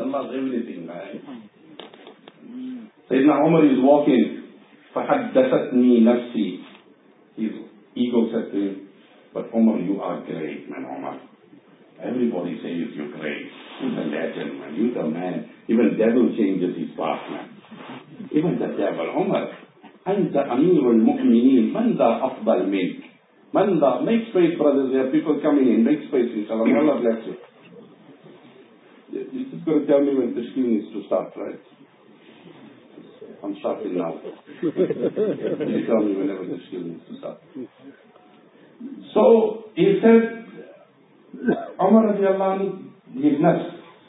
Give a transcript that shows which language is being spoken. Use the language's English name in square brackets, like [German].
[English] Allah's everything, right? Sayyidina Umar is walking. [Arabic] فَحَدَّثَتْنِي نَفْسِي. [English] His ego said to him, but Umar, you are great, man, Umar. Everybody says you're great. You're the legend, man. You're the man. Even devil changes his path, man. Even the devil. [Arabic] Umar, أَنْتَ أَمِيرُ الْمُؤْمِنِينَ مَنْ ذَا أَفْضَلْ مِنْكَ. [English] Manda, make space, brothers. There are people coming in. Make space, inshallah. Allah bless you. You're just going to tell me when the screen is to start, right? I'm starting now. You tell me whenever the screen is to start. So, he said, Umar radiallahu anhu, his nafs.